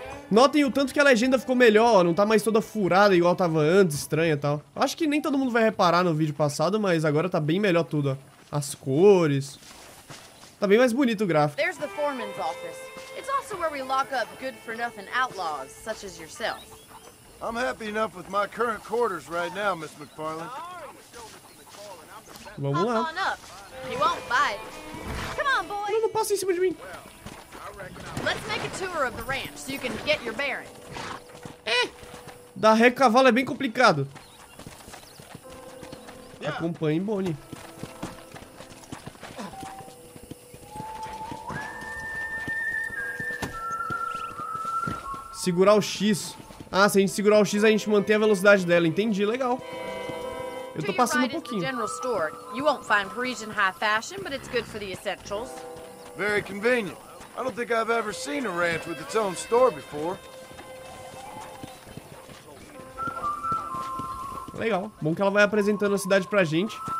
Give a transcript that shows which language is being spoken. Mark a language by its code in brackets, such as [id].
[pt] Notem o tanto que a legenda ficou melhor, não tá mais toda furada igual tava antes, estranha e tal. Acho que nem todo mundo vai reparar no vídeo passado, mas agora tá bem melhor tudo, ó. As cores. Tá bem mais bonito o gráfico. [en] There's the foreman's office. It's also where we lock up good for nothing outlaws such as yourself. I'm happy enough with my current quarters right now, Miss McFarland. [pt] Vamos lá. Não, não passa em cima de mim. [en] Let's make a tour of the ranch so you can get your bearings. [pt] Dar ré com cavalo é bem complicado. Acompanhe, Bonnie. Segurar o X. Ah, se a gente segurar o X, a gente mantém a velocidade dela. Entendi, legal. Eu tô passando um pouquinho. General Store. [en] You won't find Parisian high fashion, but it's good for the essentials. Very convenient. I don't think I've ever seen a ranch with its own store before. [pt] Legal. Bom que ela vai apresentando a cidade pra gente.